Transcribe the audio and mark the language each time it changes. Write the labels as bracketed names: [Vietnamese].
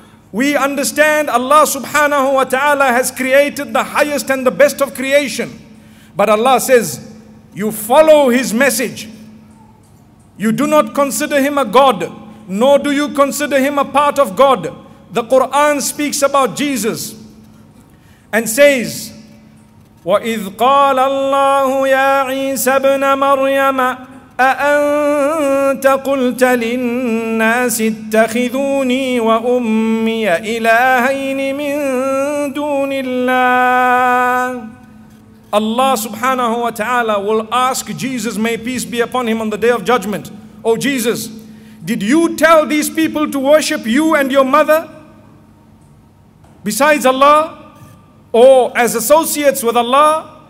[English] We understand Allah subhanahu wa ta'ala has created the highest and the best of creation. But Allah says, you follow his message. You do not consider him a god, nor do you consider him a part of God. The Quran speaks about Jesus and says, [Arabic] وَإِذْ قَالَ اللَّهُ يَا عِيسَى ابْنَ مَرْيَمَ أَأَنْتَ قُلْتَ لِلنَّاسِ اتَّخِذُونِي وَأُمِّيَ إِلَٰهَيْنِ مِن دُونِ اللَّهِ. [English] Allah subhanahu wa ta'ala will ask Jesus, may peace be upon him, on the day of judgment, O Jesus, did you tell these people to worship you and your mother besides Allah, or as associates with Allah?